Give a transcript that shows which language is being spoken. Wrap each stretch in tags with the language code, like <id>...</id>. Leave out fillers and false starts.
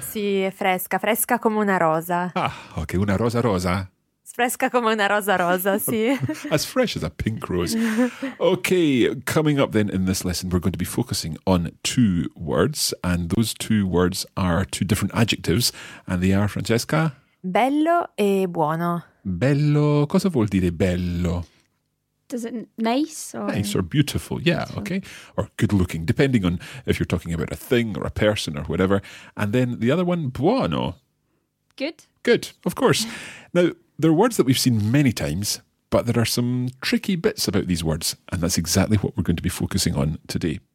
<it>Sì, è fresca, fresca come una rosa. Ah, ok, una rosa rosa? Fresca come una rosa rosa, sì.</it> <en>As fresh as a pink rose. Ok, coming up then in this lesson, we're going to be focusing on two words, and those two words are two different adjectives, and they are, Francesca?</en> <it>Bello e buono. Bello, cosa vuol dire bello?</it> <en>Is it nice or... Nice or beautiful, yeah, beautiful. Okay. Or good looking, depending on if you're talking about a thing or a person or whatever. And then the other one, buono. Good. Good, of course. Now, there are words that we've seen many times, but there are some tricky bits about these words, and that's exactly what we're going to be focusing on today.</en>